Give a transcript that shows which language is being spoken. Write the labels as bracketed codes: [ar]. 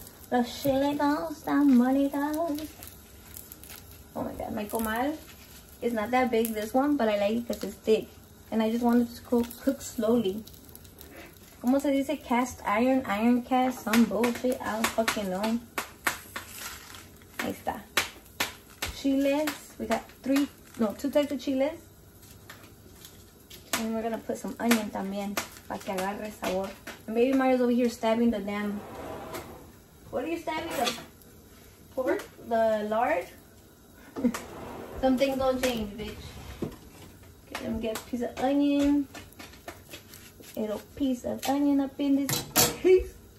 [es] Los chiles están molidos. [en] Oh my god, my comal is not that big, this one, but I like it because it's thick. And I just wanted to cook slowly. [es] ¿Cómo se dice [en] cast iron? Iron cast? Some bullshit. I don't fucking know. [es] Ahí está. [en] Chiles. We got two types of chiles. And we're gonna put some onion también. [es] Para que agarre sabor. [en] And maybe Mario's over here stabbing the damn. What are you stabbing? The pork? The lard? Some things don't change, bitch. Okay, I'm gonna get a piece of onion. Little piece of onion up in this piece.